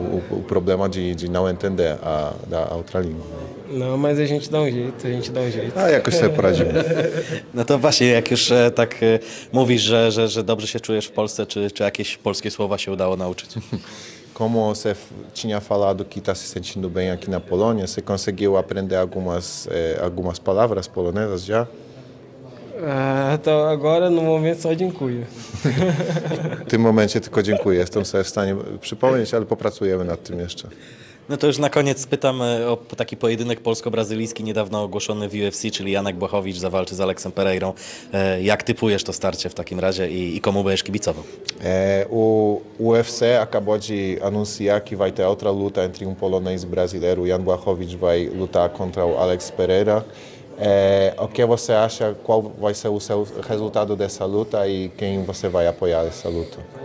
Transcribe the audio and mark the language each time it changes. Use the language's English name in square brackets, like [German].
[Portuguese] O problema de não entender da outra língua. No, mas a gente dá um jeito. [Polish] A jakoś sobie poradzimy. No to właśnie, jak już tak mówisz, że dobrze się czujesz w Polsce, czy jakieś polskie słowa się udało nauczyć? [Portuguese] Como você tinha falado que está se sentindo bem aqui na Polônia, você conseguiu aprender algumas palavras polonesas já? To agora no momento só dziękuję. [Polish] W tym momencie tylko dziękuję. Jestem sobie w stanie przypomnieć, ale popracujemy nad tym jeszcze. No to już na koniec pytam o taki pojedynek polsko-brazylijski niedawno ogłoszony w UFC, czyli Janek Błachowicz zawalczy z Alexem Pereirą. Jak typujesz to starcie w takim razie i komu będziesz kibicował? [Portuguese] O UFC acabou de anunciar que vai ter outra luta entre um polonês e brasileiro. Jan Błachowicz vai lutar contra o Alex Pereira. O que você acha, qual vai ser o seu resultado dessa luta e quem você vai apoiar essa luta?